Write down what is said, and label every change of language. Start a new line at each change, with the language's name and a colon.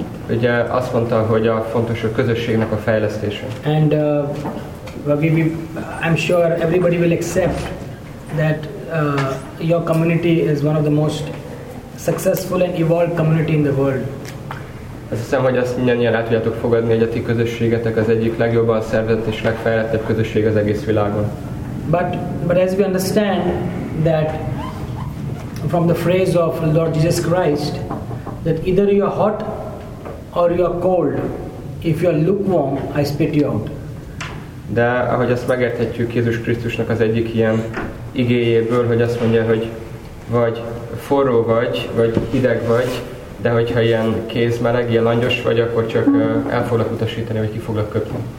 Hungarian: Ugye azt mondta, hogy a fontos a közösségnek a fejlesztése.
English: And I'm sure everybody will accept that your community is one of the most successful and evolved community in the world.
Hungarian: Azt hiszem, hogy azt mindannyian el tudjátok fogadni, hogy a ti közösségetek az egyik legjobban szervezett és legfejlettebb közösség az egész világon.
English: But as we understand that from the phrase of Lord Jesus Christ, that either you are hot or you are cold, if you are lukewarm, I spit you out.
Hungarian: De ahogy azt megérthetjük Jézus Krisztusnak az egyik ilyen igéjéből, hogy azt mondja, hogy vagy forró vagy, vagy hideg vagy, de hogyha ilyen kézmeleg, ilyen langyos vagy, akkor csak el foglak utasítani, vagy ki foglak köpni.